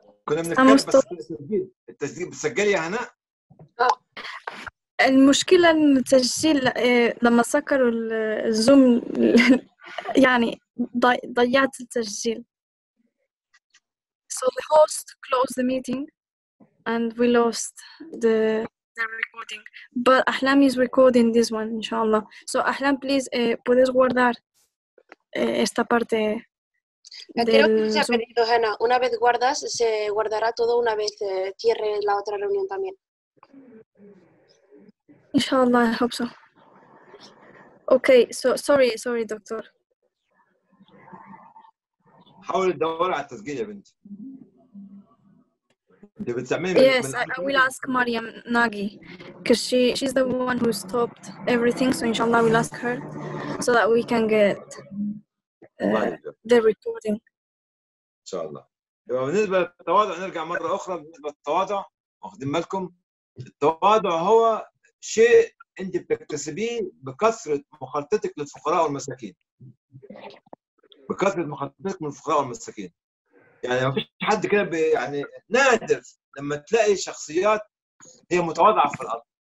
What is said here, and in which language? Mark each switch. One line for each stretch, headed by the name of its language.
Spanish: Estamos todos.
Arabic: المشكلة ان التسجيل لما سكروا الزوم يعني ضيعت التسجيل.
English: So the host closed the meeting and we lost the recording. But Ahlam is recording this one, inshallah. So Ahlam, please,
Spanish: puedes guardar esta parte. Creo que se ha perdido, Hanna. Una vez guardas, se guardará todo una vez cierre la otra reunión también.
English: Inshallah, I hope so. Okay, so sorry, doctor.
Arabic: حاول تدور على التسجيل يا بنتي. انت بتسمعيني؟
English: Yes, I will ask Maryam Nagi, because she's the one who stopped everything, so inshallah we'll ask her so that we can get the recording.
Arabic: ان شاء الله. يبقى بالنسبه للتواضع نرجع مره اخرى، بالنسبه للتواضع واخدين بالكم، التواضع هو شيء انت بتكتسبيه بكثره مخالطتك للفقراء والمساكين. بكثره مخالطتك من الفقراء والمساكين. يعني ما فيش حد كده يعني نادر لما تلاقي شخصيات هي متواضعه في الارض.